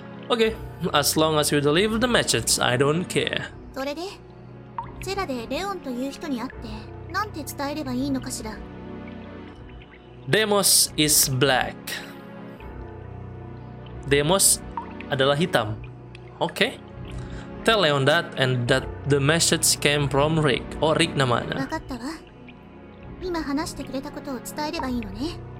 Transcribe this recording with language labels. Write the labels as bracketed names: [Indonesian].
[English] Okay, as long as you deliver the message, I don't care. [Japanese] それで? セラでレオンという人に会って、なんて伝えればいいのかしら? [English] Demos is black. [Indonesian] Demos adalah hitam. [English] Okay. Tell Leon that and that the message came from Rick. [Indonesian] Oh, Rick namanya. [Japanese] わかったわ。今話してくれたことを伝えればいいのね。